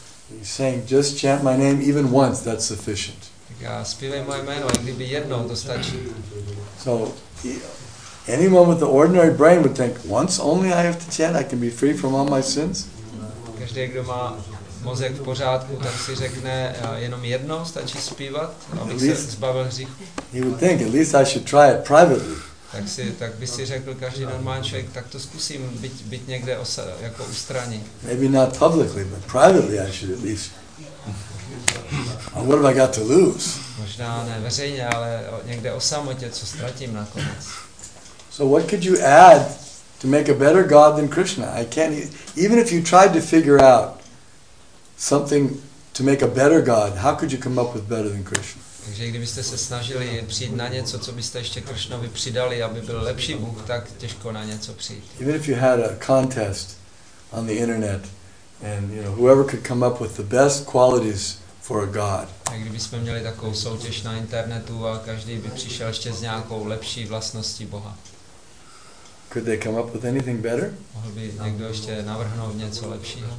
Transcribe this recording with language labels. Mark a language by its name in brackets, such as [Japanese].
[English] He's saying, just chant my name even once, that's sufficient. [Czech] Tak já zpívej moje jméno, i kdyby jednou, to stačí. [English] So, any moment the ordinary brain would think, once only I have to chant, I can be free from all my sins. [Czech] Každý, kdo má mozek v pořádku, tak si řekne, jenom jednou stačí zpívat, abych se zbavil hříchu. [English] He would think, at least I should try it privately. [Czech] Tak by si řekl každý normální člověk, tak to zkusím být někde jako u strany. [English] Maybe not publicly, but privately I should at least. And what have I got to lose? [Czech] Možná ne veřejně, ale někde o samotě, co ztratím nakonec. [English] So what could you add to make a better God than Krishna? I can't even if you tried to figure out something to make a better God, how could you come up with better than Krishna? [Czech] Takže kdybyste se snažili přijít na něco, co byste ještě Kršnovi přidali, aby byl lepší Bůh, tak těžko na něco přijít. [English] Even if you had a contest on the internet and you know whoever could come up with the best qualities for a God. [Czech] Tak kdybychom měli takovou soutěž na internetu a každý by přišel ještě s nějakou lepší vlastností Boha. [English] Could they come up with anything better? [Czech] Mohl by někdo ještě navrhnout něco lepšího?